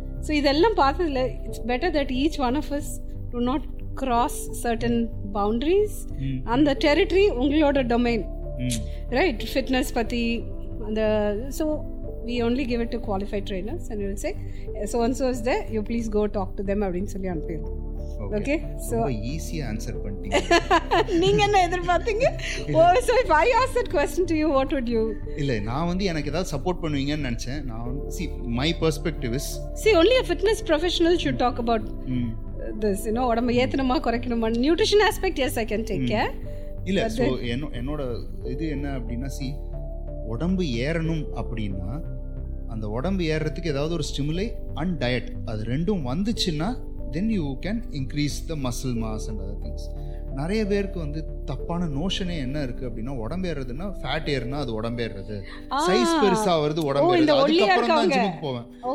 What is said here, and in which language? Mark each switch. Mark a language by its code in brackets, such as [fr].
[en] so [ta] இதெல்லாம் பார்த்ததில் [en] It's better that each one of us to not cross certain boundaries. [ta] அந்த territory உங்களோட domain, right, fitness பற்றி அந்த. [en] so we only give it to qualified trainers and will say so once was the you please go talk to them [ta] அப்படின்னு சொல்லி அனுப்பிடுவோம். [en] Okay. So easy answer panni. [ta] நீங்க என்ன எதிர்பார்த்தீங்க? [en] Oh, so if I asked that question to you, what would you? [ta] இல்ல, நான் வந்து எனக்கு ஏதாவது support பண்ணுவீங்கன்னு நினைச்சேன். [en] நான் see, my perspective is, see, only a fitness professional should talk about this, you know, what am I [ta] ஏத்துனமா குறைக்கணுமா, [en] nutrition aspect, yes, I can take care. [ta] இல்ல, so என்னோட இது என்ன அப்படினா, see, உடம்பு ஏறணும் அப்படினா அந்த உடம்பு ஏறிறதுக்கு ஏதாவது ஒரு ஸ்டிமுலை அண்ட் டயட், அது ரெண்டும் வந்துச்சுனா [en] then you can increase the muscle mass and other things. [ta] நிறைய பேருக்கு வந்து தப்பான நோஷனே என்ன இருக்கு அப்படின்னா, உடம்பு ஏறதுன்னா ஃபேட் ஏறுனா அது உடம்பு ஏறுறது, சைஸ் பெருசா வருது உடம்பு ஏறுறது, அதுக்கப்புறம் தான் ஜிம்முக்கு போவேன்.